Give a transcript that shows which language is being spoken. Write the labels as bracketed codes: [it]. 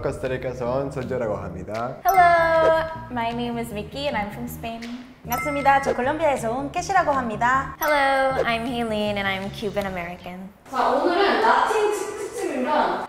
[ko] 코스타리카에서 온 선재라고 합니다. [en] Hello, my name is Vicky and I'm from Spain. [ko] 반갑습니다. 저 콜롬비아에서 온 캐시라고 합니다. [en] Hello, I'm Haleen and I'm Cuban American. [ko] 자, 오늘은 라틴 특집입니다.